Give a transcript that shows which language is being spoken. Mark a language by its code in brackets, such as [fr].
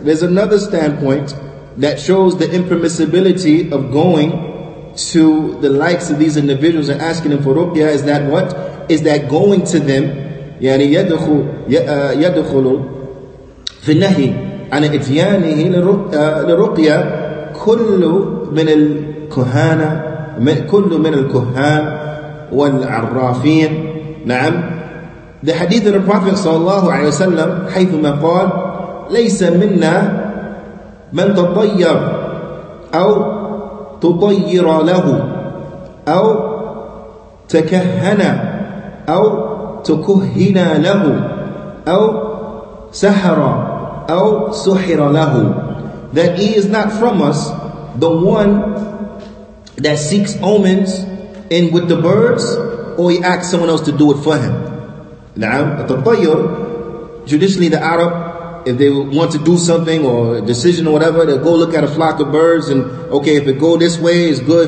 [en] There's another standpoint that shows the impermissibility of going to the likes of these individuals and asking them for ruqyah. Is that what? Is that going to them? [ar] يعني يدخل في النهي عن إتيانه لرقية كل من الكهانة كل من الكهان والعرافين. نعم. [en] The hadith of the Prophet [ar] صلى الله عليه وسلم حيثما قال ليس منا من تطير أو تطير له أو تكهن أو تكهن له أو سحر أو سحر له. [en] That he is not from us the one that seeks omens in with the birds, or he asks someone else to do it for him. [ar] نعم. [en] التطير, traditionally the Arab, if they want to do something or a decision or whatever, they'll go look at a flock of birds and, okay, if it go this way, it's good.